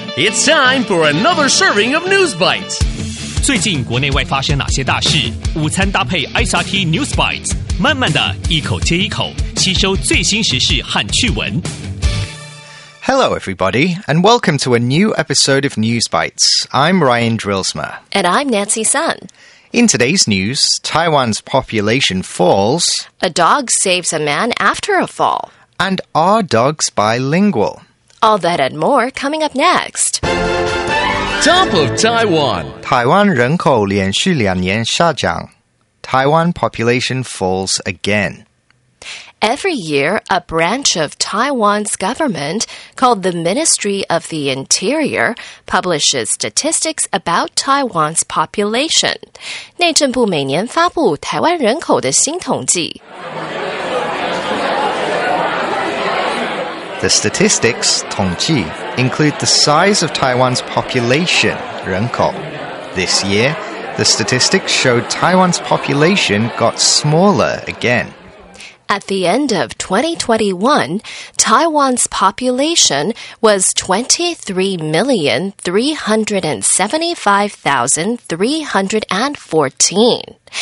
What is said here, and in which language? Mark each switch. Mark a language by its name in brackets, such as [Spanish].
[English] It's time for another serving of News Bites. [Chinese] 最近国内外发生哪些大事？午餐搭配 SRT News Bites， 慢慢的一口接一口，吸收最新时事和趣闻。 [English] Hello, everybody, and welcome to a new episode of News Bites. I'm Ryan Drilsma. And I'm Nancy Sun. In today's news, Taiwan's population falls. A dog saves a man after a fall. And are dogs bilingual? All that and more coming up next. Top of Taiwan. [Chinese] 台湾人口连续两年下降。 [English] Taiwan population falls again. Every year, a branch of Taiwan's government, called the Ministry of the Interior, publishes statistics about Taiwan's population. [Chinese] 内政部每年发布台湾人口的新统计。 [English] The statistics, 统计, include the size of Taiwan's population, 人口. This year, the statistics showed Taiwan's population got smaller again. At the end of 2021, Taiwan's population was 23,375,314.